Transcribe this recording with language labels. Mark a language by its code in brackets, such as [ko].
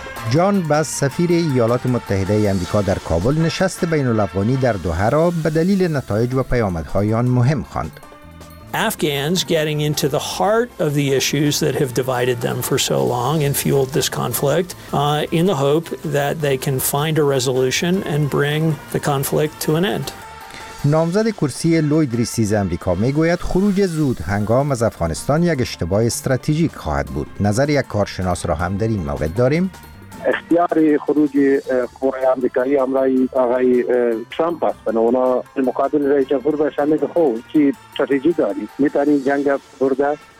[fa] جان بس سفیر ایالات متحده آمریکا در کابل نشست بین الافغانی در دوحه را به دلیل نتایج و پیامدهای آن مهم خواند. [en] Afghans getting into the heart of the issues that have divided them for so long and fueled this conflict in the hope that they can find a resolution and bring the conflict to an end. [fa] نامزد کرسی لوید ریسیز آمریکا میگوید خروج زود هنگام از افغانستان یک اشتباه استراتژیک خواهد بود. نظر یک کارشناس را هم در این مورد داریم. اختیار خروج قوای امریکایی همراهی آقای ترامپ است. بنا اونا مقابل رئیس جمهور بشن میگه خب چی استراتژی داری؟ میتونی جنگ برده؟